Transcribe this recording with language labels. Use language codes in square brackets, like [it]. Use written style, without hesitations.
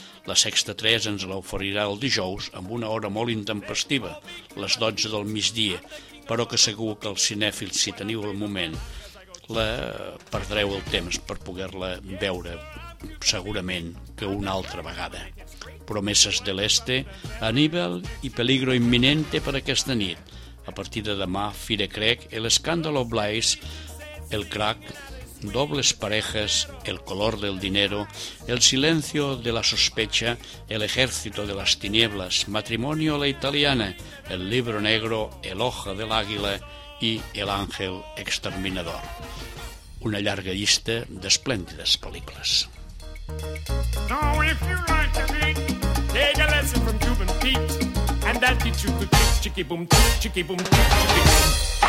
[ca] La Sexta 3 ens l'oferirà el dijous amb una hora molt intempestiva, les 12 del migdia, però que segur que els cinèfils, si teniu el moment, la perdreu el temps per poder-la veure segurament que una altra vegada. Promeses de l'Este, Aníbal i Peligro Imminente per aquesta nit. A partir de demà, Fire Crec, El Escándalo Blaise, El Crack, Dobles Parejas, El Color del Dinero, El Silencio de la Sospecha, El Ejército de las Tinieblas, Matrimonio a la Italiana, El Libro Negro, El Ojo del Águila i El Ángel Exterminador. Una llarga llista d'esplèndides pel·lícules. [en] No, if you like to drink, take a lesson from Cuban Pete, and I'll teach you to kick, chicky-boom, kick, chicky-boom, kick, chicky-boom.